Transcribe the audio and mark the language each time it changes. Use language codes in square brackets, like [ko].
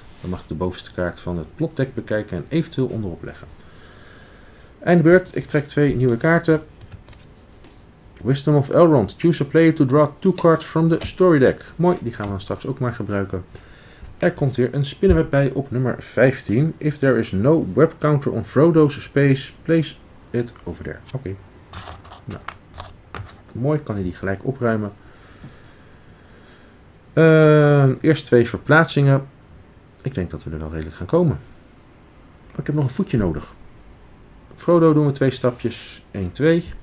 [nl] Dan mag ik de bovenste kaart van het plotdeck bekijken en eventueel onderop leggen. Einde beurt, ik trek twee nieuwe kaarten. [en] Wisdom of Elrond, choose a player to draw 2 cards from the story deck. [nl] Mooi, die gaan we dan straks ook maar gebruiken. Er komt weer een spinnenweb bij op nummer 15. [en] If there is no web counter on Frodo's space, place it over there. [nl] Oké. Nou, mooi, kan hij die gelijk opruimen. Eerst 2 verplaatsingen. Ik denk dat we er wel redelijk gaan komen. Maar ik heb nog een voetje nodig. Frodo doen we 2 stapjes. 1, 2.